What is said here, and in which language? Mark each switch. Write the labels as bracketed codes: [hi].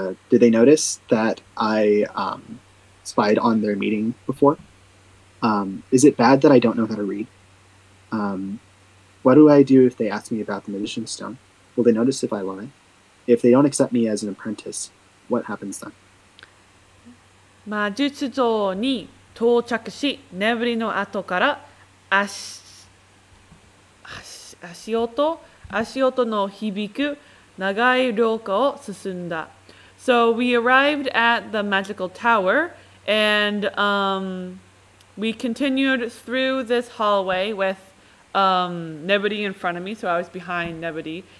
[en] Did they notice that I spied on their meeting before? Is it bad that I don't know how to read? What do I do if they ask me about the magician's stone? Will they notice if I lie? If they don't accept me as an apprentice, what happens then? [ja] 魔術堂に到着し、ネブリの後から足音の響く長い廊下を進んだ。 [en] So we arrived at the magical tower, and we continued through this hallway with Nebri in front of me, so I was behind Nebri.